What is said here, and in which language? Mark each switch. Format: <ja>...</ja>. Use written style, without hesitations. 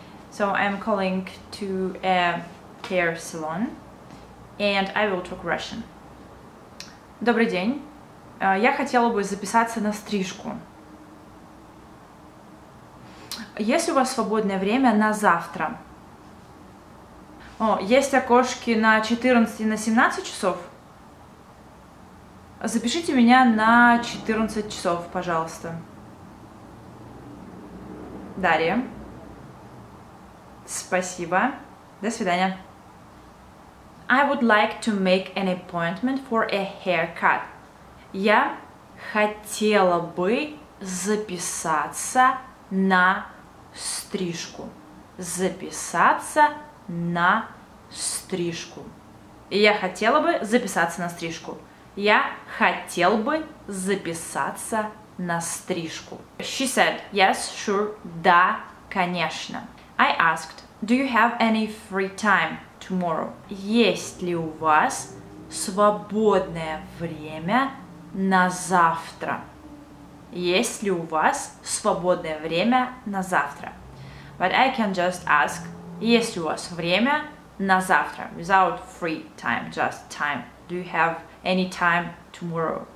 <en>So I'm calling to a hair salon and I will talk Russian.</en> <ru>Добрый день. Я хотела бы записаться на стрижку. Есть у вас свободное время на завтра? О, есть окошки на 14 и на 17 часов? Запишите меня на 14 часов, пожалуйста. Дарья. Спасибо. До свидания.</ru> <en>I would like to make an appointment for a haircut.</en> <ru>Я хотела бы записаться на стрижку. Записаться на стрижку. Я хотела бы записаться на стрижку. Я хотел бы записаться на стрижку.</ru> <en>She said, yes, sure,</en> <ru>да, конечно.</ru> <en>I asked, do you have any free time tomorrow?</en> <ru>Есть ли у вас свободное время на завтра? Есть ли у вас свободное время на завтра?</ru> <en>But I can just ask,</en> <ru>есть ли у вас время на завтра?</ru> <en>Without free time, just time. Do you have any time tomorrow?</en>